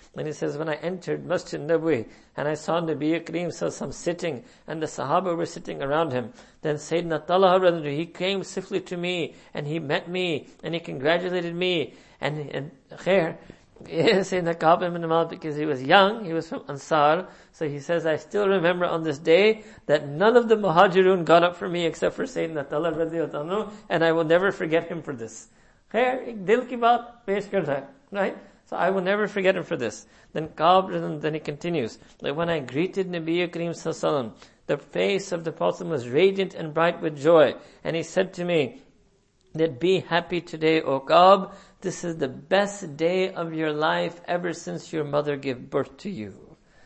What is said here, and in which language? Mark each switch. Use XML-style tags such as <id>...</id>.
<en>And he says, when I entered Masjid Nabawi and I saw Nabiya Kareem Sallallahu Alaihi sitting and the Sahaba were sitting around him, then Sayyidina Talha, brother, he came swiftly to me and he met me and he congratulated me. And khair, Sayyidina Ka'b ibn Malik, because he was young, he was from Ansar. So he says, I still remember on this day that none of the Muhajirun got up for me except for Sayyidina Talha, brother, and I will never forget him for this.</en> <ur>خیر، ایک دل کی بات پیش کر رہا، right?</ur> <en>So I will never forget him for this. Then Ka'b, then he continues, that when I greeted Nabiya Kareem Sallallahu Alaihi Wasallam, the face of the Prophet was radiant and bright with joy. And he said to me, that be happy today, O Ka'b. This is the best day of your life ever since your mother gave birth to you.</en>